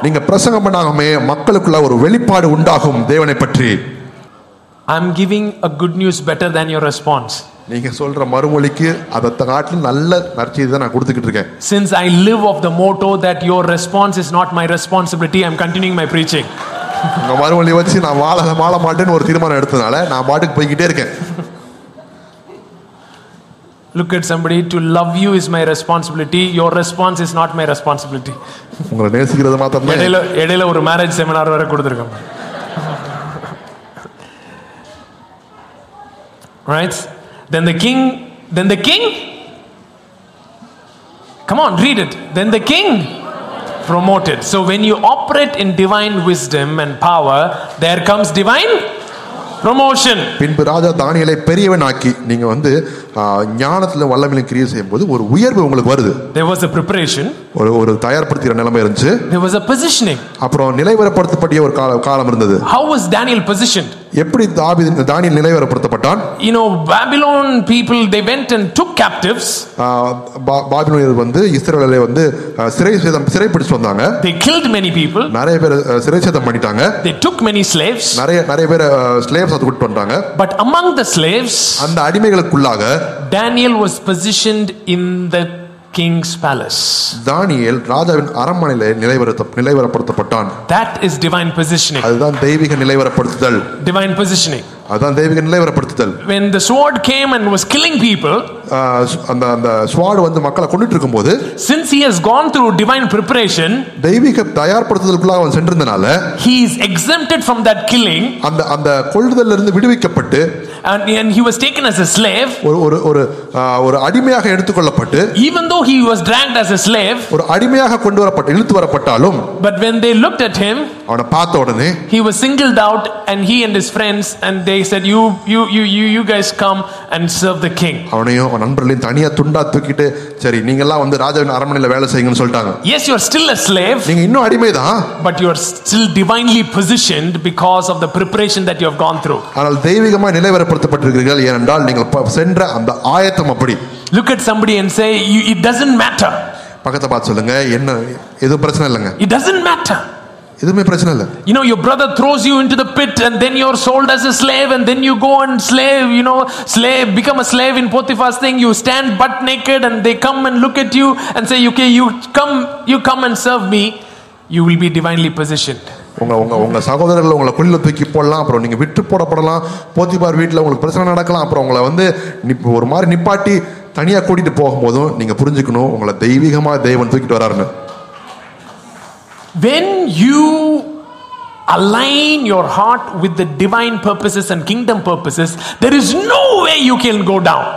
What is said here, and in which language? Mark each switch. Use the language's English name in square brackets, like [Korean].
[Tamil] நீங்க பிரசங்கம் பண்ணாமே மக்களுக்குள்ள ஒரு வெளிப்பாடு உண்டாகும் தேவனை பற்றி. [English] I'm giving a good news better than your response. [Tamil] நீங்க சொல்ற மறுமொழிக்கு அதத்த காட்டில் நல்ல நற்செய்தி தான் நான் கொடுத்துக்கிட்டு இருக்கேன். [English] Since I live off the motto that your response is not my responsibility, I'm continuing my preaching. [Tamil] உங்க மறுமொழி வச்சு நான் வாழ மாட்டேன்னு ஒரு தீர்மானம் எடுத்ததுனால நான் பாட்டுக்கு போய்கிட்டே இருக்கேன். [English] Look at somebody, to love you is my responsibility, your response is not my responsibility. [Tamil] உங்களை நேசிக்கிறது மட்டும்தான். இடையில ஒரு மேரேஜ் செமினார் வரை கொடுத்துருக்கோம். [English] Right? Then the king, come on, read it. Then the king promoted. So when you operate in divine wisdom and power, there comes divine promotion. [Tamil] பின்பு ராஜா தானியேலை பெரியவனாக்கி நீங்க வந்து ஞானத்துல வல்லமையில கிரியை செய்யும்போது ஒரு உயர்வு உங்களுக்கு வருது. [English] There was a preparation. [Tamil] ஒரு தயார்படுத்திற நிலைமை இருந்துச்சு. [English] There was a positioning. [Tamil] அப்புறம் நிலைவரப்படுத்தப்பட்ட ஒரு காலம் இருந்தது. [English] How was Daniel positioned? [Tamil] எப்படி தாவீது தானியேல் நிலைவரப்படுத்தப்பட்டான்? [English] You know, Babylon people, they went and took captives. [Tamil] பாபிலோனியர் வந்து இஸ்ரவேலரை வந்து சிறைப்பிடிச்சு வந்தாங்க. [English] They killed many people. [Tamil] நிறைய பேர் சிறைச்சேதம் பண்ணிட்டாங்க. [English] They took many slaves. [Tamil] நிறைய பேர் slaves அது கூட்டி வந்தாங்க. [English] But among the slaves, [Tamil] அந்த அடிமைகளுக்குள்ளாக [English] Daniel was positioned in the king's palace. [Tamil] தானியேல் ராஜாவின் அரண்மனையிலே நிலைவரப்படுத்தப்பட்டான். [English] That is divine positioning. [Tamil] அதுதான் தெய்வீக நிலைவரப்படுத்துதல். [English] Divine positioning. [Tamil] அதுதான் தெய்வீக நிலைவரப்படுத்துதல். [English] When the sword came and was killing people, [Tamil] அந்த sword வந்து மக்களை கொன்னுட்டு இருக்கும்போது, [English] since he has gone through divine preparation, [Tamil] தெய்வீக தயார்படுத்துதலுக்குள்ள அவன் சென்றதனால, [English] he is exempted from that killing. [Tamil] அந்த கொல்லுதல்ல இருந்து விடுவிக்கப்பட்டு, [English] and he was taken as a slave. [Tamil] ஒரு அடிமையாக எடுத்துக்கொள்ளப்பட்டு, [English] even though he was dragged as a slave, [Tamil] ஒரு அடிமையாக கொண்டு வரப்பட்டு இழுத்து வரப்பட்டாலும், [English] but when they looked at him, [Tamil] அவன பார்த்த உடனே, [English] he was singled out and he and his friends, and they said, you guys come and serve the king. [Tamil] அவனையும் அவன் நண்பர்களையும் தனியா துண்டா தூக்கிட்டு, சரி நீங்க எல்லாம் வந்து ராஜாவின் அரண்மனையில வேலை செய்யுங்கன்னு சொல்லிட்டாங்க. [English] Yes, you are still a slave. [Tamil] நீங்க இன்னும் அடிமைதான். [English] But you are still divinely positioned because of the preparation that you have gone through. [Tamil] ஆனால் தெய்வீகமா நிலை பட்டிருக்கிறீர்கள் ஏனென்றால் நீங்கள் சென்ற அந்த ஆயத்தம் அப்படி. [English] Look at somebody and say, it doesn't matter. [Tamil] பக்கத்தை பார்த்து சொல்லுங்க, என்ன எது பிரச்சனை இல்லைங்க. [English] It doesn't matter. [Tamil] இதுமே பிரச்சனை இல்ல. [English] You know, your brother throws you into the pit and then you're sold as a slave and then you go and slave, you know, slave, become a slave in Potiphar's thing, you stand butt naked and they come and look at you and say, okay, you come and serve me, you will be divinely positioned. [Tamil] உங்க சகோதரர்கள் உங்களை கொல்ல தூக்கி போடலாம், அப்புறம் நீங்க விட்டு போடப்படலாம், போத்திபார் வீட்டில் உங்களுக்கு பிரச்சனை நடக்கலாம், அப்புறம் உங்களை வந்து ஒரு மாதிரி நிப்பாட்டி தனியா கூட்டிட்டு போகும்போதும் நீங்க புரிஞ்சுக்கணும், உங்களை தெய்வீகமா தேவன் தூக்கிட்டு வராருன்னு. [English] When you align your heart with the divine purposes and kingdom purposes, there is no way you can go down.